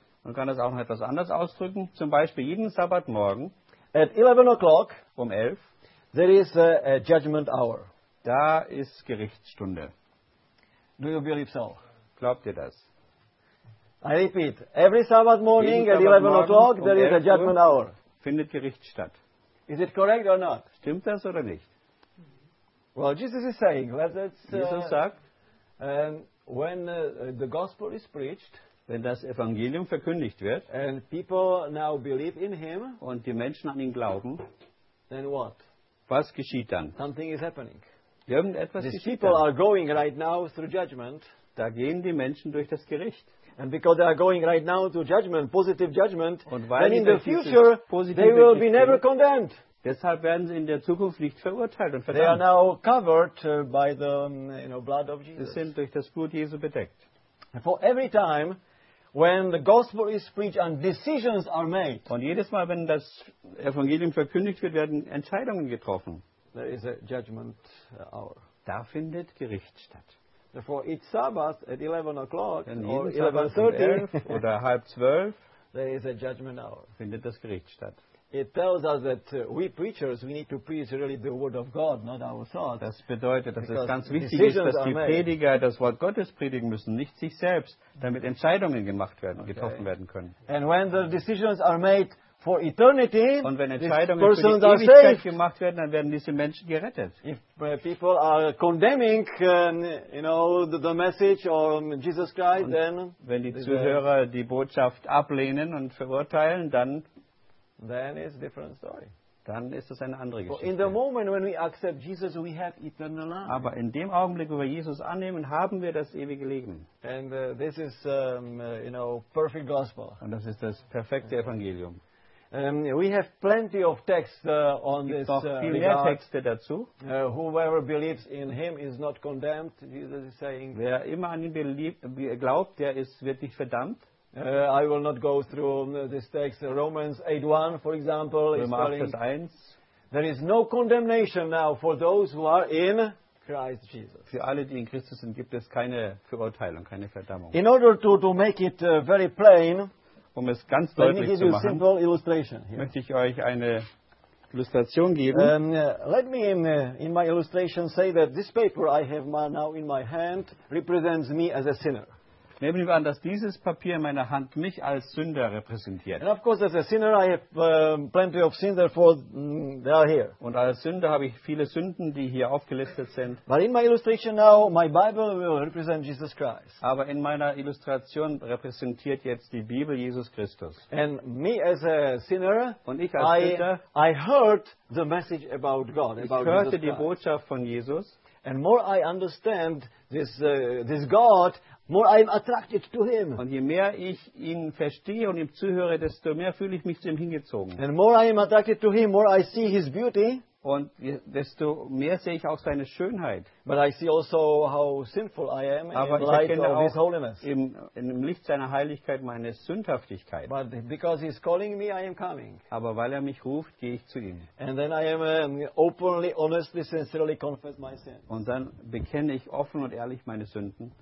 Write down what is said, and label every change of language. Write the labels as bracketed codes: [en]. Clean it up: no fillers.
[de] man kann das auch noch etwas anders ausdrücken, zum Beispiel jeden Sabbatmorgen, [en] at 11 o'clock, [de] um 11, [en] there is a judgment hour. [de] Da ist Gerichtsstunde. [en] Do you believe so? [de] Glaubt ihr das? [en] I repeat, every Sabbath morning at 11 o'clock, [de] um [en] there is a judgment hour. [de] Findet Gericht statt. [en] Is it correct or not? [de] Stimmt das oder nicht? [en] Well, Jesus is saying, [de] Jesus sagt, [en] when the gospel is preached, [de] wenn das Evangelium verkündigt wird, [en] and people now believe in him, [de] und die Menschen an ihn glauben, [en] then what? [de] Was geschieht dann? [en] Something is happening. [de] Irgendetwas [en] These [de] geschieht [en] people [de] dann. [en] Are going right now through judgment. [de] Da gehen die Menschen durch das Gericht. [en] And because they are going right now to judgment, positive judgment, [de] und weil [en] then in the future they will be never condemned. [de] Deshalb werden sie in der Zukunft nicht verurteilt und verdammt. [en] They are now covered by the blood of Jesus. [de] Sie sind durch das Blut Jesu bedeckt. [en] For every time when the gospel is preached and decisions are made. [de] Und jedes Mal, wenn das Evangelium verkündigt wird, werden Entscheidungen getroffen. [en] There is a judgment hour. [de] Da findet Gericht statt. [en] Therefore, it's Sabbath at 11 o'clock or [de] 11:30 oder halb zwölf. [en] There is a judgment hour. [de] Findet das Gericht statt. [en] It tells us that we preachers we need to preach really the word of God, not our thoughts. [de] Das bedeutet, dass es ganz wichtig ist, dass die Prediger das Wort Gottes predigen müssen, nicht sich selbst, damit Entscheidungen gemacht werden, getroffen werden können. [en] And when the decisions are made for eternity, [de] und wenn Entscheidungen für die Ewigkeit gemacht werden, dann werden diese Menschen gerettet. [en] If people are condemning, the message of Jesus Christ, [de] und [en] then [de] wenn die Zuhörer die Botschaft ablehnen und verurteilen, dann [en] then it's a different story. [de] Dann ist das eine andere Geschichte. [en] In the moment when we accept Jesus, we have eternal life. [de] Aber in dem Augenblick, wo wir Jesus annehmen, haben wir das ewige Leben. [en] And this is, perfect gospel. [de] Und das ist das perfekte Evangelium. [en] We have plenty of texts on this. [de] Gibt noch viel mehr Texte dazu. [en] Whoever believes in him is not condemned. Jesus is saying. [de] Wer immer an ihn glaubt, der ist wirklich verdammt. [en] I will not go through this text. Romans 8:1, for example, [de] Römer [en] is telling, there is no condemnation now for those who are in Christ Jesus. [de] Für alle, die in Christus sind, gibt es keine Verurteilung, keine Verdammung. [en] In order to make it very plain, [de] um es ganz deutlich zu machen, [en] simple illustration here. [de] Möchte ich euch eine Illustration geben. [en] Let me in my illustration say that this paper I have now in my hand represents me as a sinner. [de] Nehmen wir an, dass dieses Papier in meiner Hand mich als Sünder repräsentiert. [en] And of course, as a sinner, I have plenty of sins, therefore they are here. [de] Und als Sünder habe ich viele Sünden, die hier aufgelistet sind. [en] But in my illustration now, my Bible will represent Jesus Christ. [de] Aber in meiner Illustration repräsentiert jetzt die Bibel Jesus Christus. [en] And me as a sinner, [de] und ich als Sünder, [en] I heard the message about God, about Jesus. [de] Ich hörte die Botschaft von Jesus. [en] And more I understand this God, more I am attracted to him. [de] Und je mehr ich ihn verstehe und ihm zuhöre, desto mehr fühle ich mich zu ihm hingezogen. [en] And more I am attracted to him, more I see his beauty. [de] Und desto mehr sehe ich auch seine Schönheit. [en] But I see also how sinful I am. [de] Aber [en] in light [de] ich erkenne [en] of his holiness. [de] Im Licht seiner Heiligkeit meine Sündhaftigkeit. [en] But because he's calling me, I am coming. [de] Aber weil er mich ruft, gehe ich zu ihm. [en] And then I am openly, honestly, sincerely confess my sin. [de] Und dann bekenne ich offen und ehrlich meine Sünden.